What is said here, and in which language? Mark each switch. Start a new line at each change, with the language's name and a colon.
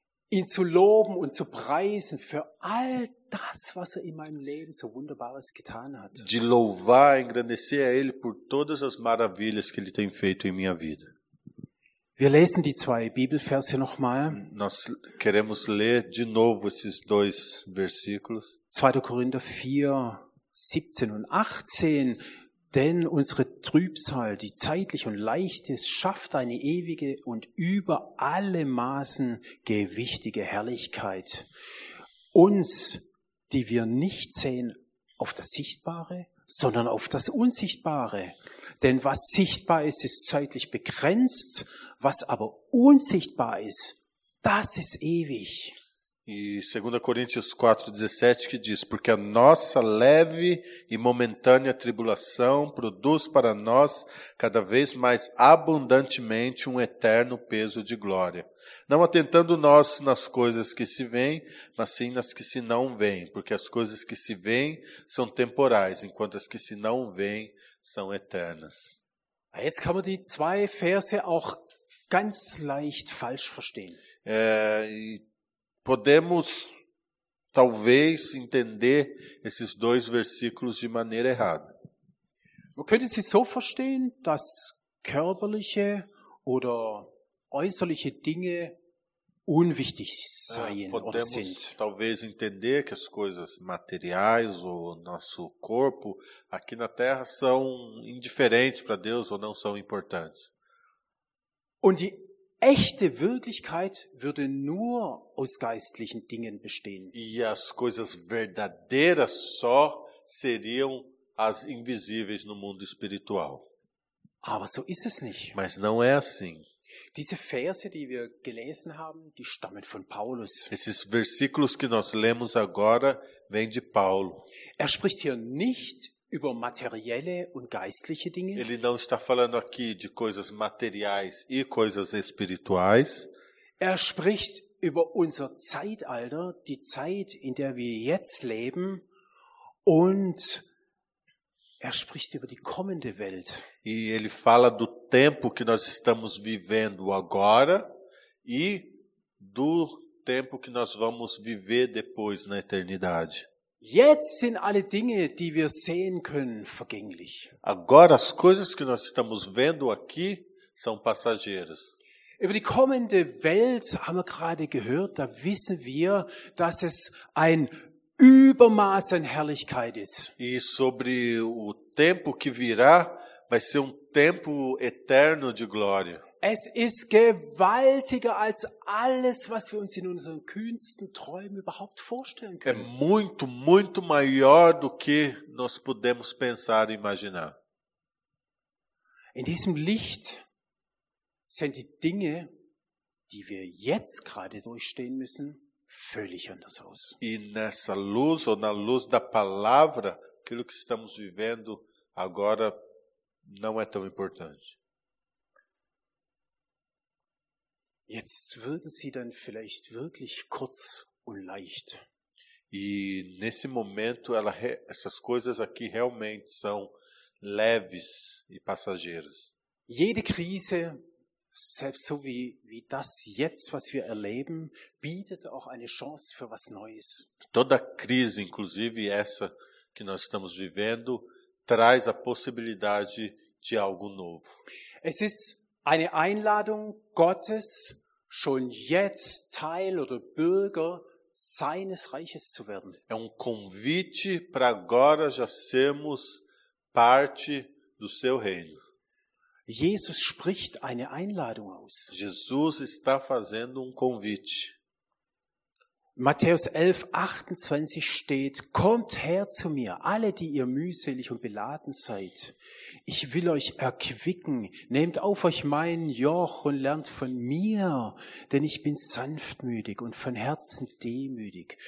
German: Ihn zu loben und zu preisen für all das, was er in meinem Leben so wunderbares getan hat.
Portuguese: De louvar, engrandecer a ele por todas as maravilhas que ele tem feito em minha vida.
German: Wir lesen die zwei Bibelverse nochmal.
Portuguese: Nós queremos ler de novo esses dois versículos.
German: 2. Korinther 4, 17 und 18. Denn unsere Trübsal, die zeitlich und leicht ist, schafft eine ewige und über alle Maßen gewichtige Herrlichkeit. Uns, die wir nicht sehen auf das Sichtbare, sondern auf das Unsichtbare. Denn was sichtbar ist, ist zeitlich begrenzt. Was aber unsichtbar ist, das ist ewig.
Portuguese: E 2 Coríntios 4, 17, que diz: Porque a nossa leve e momentânea tribulação produz para nós cada vez mais abundantemente um eterno peso de glória. Não atentando nós nas coisas que se veem, mas sim nas que se não veem. Porque as coisas que se veem são temporais, enquanto as que se não veem são eternas.
German: Jetzt kann man die zwei Verse auch ganz leicht falsch verstehen.
Portuguese: Podemos talvez entender esses dois versículos de maneira errada.
German: Man könnte sie so verstehen, dass körperliche oder äußerliche Dinge unwichtig seien oder sind.
Portuguese: Podemos talvez entender que as coisas materiais ou nosso corpo aqui na Terra são indiferentes para Deus ou não são importantes.
German: Und die echte Wirklichkeit würde nur aus geistlichen Dingen bestehen.
Portuguese: E as coisas verdadeiras só seriam as invisíveis no mundo espiritual.
German: Aber so ist es nicht.
Portuguese: Mas não é assim.
German: Diese Verse, die wir gelesen haben, die stammen von Paulus.
Portuguese: Esses versículos que nós lemos agora vêm de Paulo.
German: Er spricht hier nicht über materielle und geistliche Dinge.
Portuguese: Ele não está falando aqui de coisas materiais e coisas espirituais.
German: Er spricht über unser Zeitalter, die Zeit, in der wir jetzt leben, und er spricht über die kommende Welt.
Portuguese: E ele fala do tempo que nós estamos vivendo agora e do tempo que nós vamos viver depois na eternidade.
German: Jetzt sind alle Dinge, die wir sehen können, vergänglich.
Portuguese: Agora as coisas que nós estamos vendo aqui são passageiras.
German: Über die kommende Welt haben wir gerade gehört, da wissen wir, dass es ein Übermaß an Herrlichkeit ist.
Portuguese: E sobre o tempo que virá, vai ser tempo eterno de glória.
German: Es ist gewaltiger als alles, was wir uns in unseren kühnsten Träumen überhaupt vorstellen können.
Portuguese: É muito, muito maior do que nós podemos pensar e imaginar.
German: In diesem Licht sind die Dinge, die wir jetzt gerade durchstehen müssen, völlig anders aus.
Portuguese: E nessa luz, ou na luz da palavra, aquilo que estamos vivendo agora não é tão importante.
German: Jetzt würden sie dann vielleicht wirklich kurz und leicht.
Portuguese: E nesse momento essas coisas aqui realmente são leves e passageiras.
German: Jede Krise, selbst so wie das jetzt, was wir erleben, bietet auch eine Chance für was Neues.
Portuguese: Toda crise, inclusive essa que nós estamos vivendo, traz a possibilidade de algo novo.
German: Es ist eine Einladung Gottes, schon jetzt Teil oder Bürger seines Reiches zu werden.
Portuguese: É um convite para agora já sermos parte do seu reino.
German: Jesus spricht eine Einladung aus.
Portuguese: Jesus está fazendo um convite.
German: Matthäus 11, 28 steht: Kommt her zu mir, alle, die ihr mühselig und beladen seid. Ich will euch erquicken. Nehmt auf euch mein Joch und lernt von mir, denn ich bin sanftmütig und von Herzen demütig.